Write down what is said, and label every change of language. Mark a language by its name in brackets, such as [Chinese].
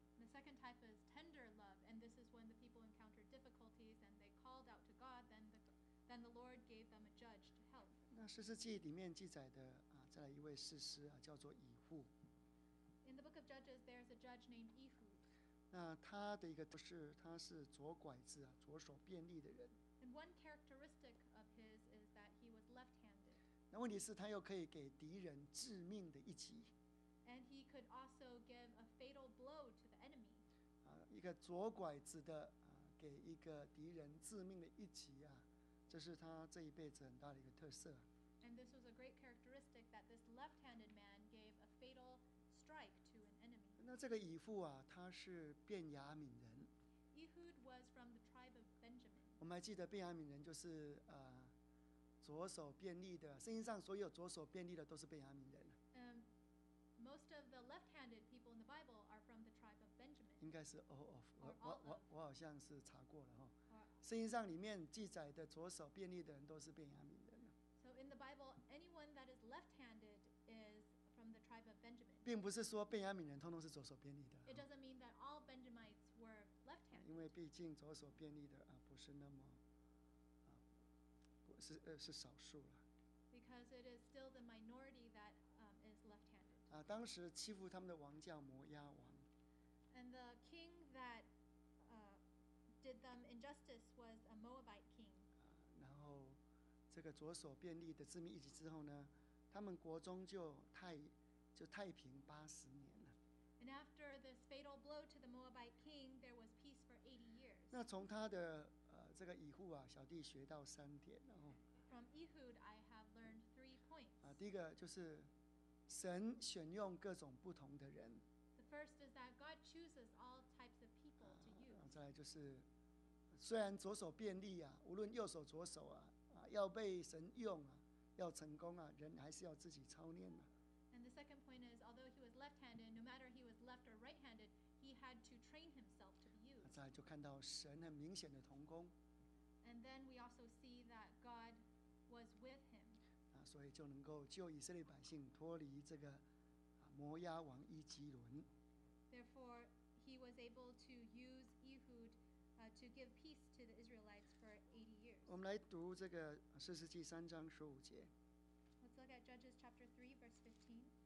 [English] The second type is tender love, and this is when the people encountered difficulties and they called out to God, then the Lord gave them a judge to help. [Chinese] 那士师记里面记载的啊，再来一位士师啊，叫做以户。 [English] In the book of Judges, there is a judge named Ehud. [Chinese] 那他的一个特质，他是左拐子啊，左手便利的人。 [English] And one characteristic of his is that he was left-handed. [Chinese] 那问题是，他又可以给敌人致命的一击。 [English] And he could also give a fatal blow to the enemy. [Chinese] 一个左拐子的给一个敌人致命的一击啊，这是他这一辈子很大的一个特色。 [English] And this was a great characteristic that this left-handed man gave a fatal strike to an enemy. [Chinese] 那这个以弗啊，他是便雅悯人。 [English] Ehud was from the tribe of Benjamin. [Chinese] 我们还记得便雅悯人就是左手便利的，圣经上所有左手便利的都是便雅悯人。 [English] Most of the left-handed people in the Bible are from the tribe of Benjamin. [Chinese] 应该是 [English] all of. [Chinese] 我好像是查过了哈。 [English] Or, [Chinese] 圣经上里面记载的左手便利的人都是便雅悯人。 [English] So in the Bible, anyone that is left-handed is from the tribe of Benjamin. [Chinese] 并不是说便雅悯人通通是左手便利的。 [English] It doesn't mean that all Benjamites were left-handed. [Chinese] 因为毕竟左手便利的不是那么是少数了。 [English] Because it is still the minority that is left-handed. [Chinese] 当时欺负他们的王叫摩押王。 [English] And the king that did them injustice was a Moabite king. [Chinese] 然后这个左手便利的致命一击之后呢，他们国中就太平八十年了。 [English] And after this fatal blow to the Moabite king, there was peace for 80 years. [Chinese] 那从他的这个以户啊，小弟学到三点。然后 [English] From Ehud, I have learned 3 points. [Chinese] 第一个就是神选用各种不同的人。 [English] The first is that God chooses all types of people to use. [Chinese] 再来就是，虽然左手便利啊，无论右手左手啊，要被神用啊，要成功啊，人还是要自己操练的。 [English] And the second point is, although he was left-handed, no matter he was left or right-handed, he had to train himself to be used. [Chinese] 再来就看到神很明显的同工。 [English] And then we also see that God was with him. [Chinese] 所以就能够救以色列百姓脱离这个摩押王伊基伦。 [English] Therefore, he was able to use Ehud to give peace to the Israelites for 80 years. [Chinese] 我们来读这个士师记三章十五节。 [English] Let's look at Judges chapter 3 verse 15.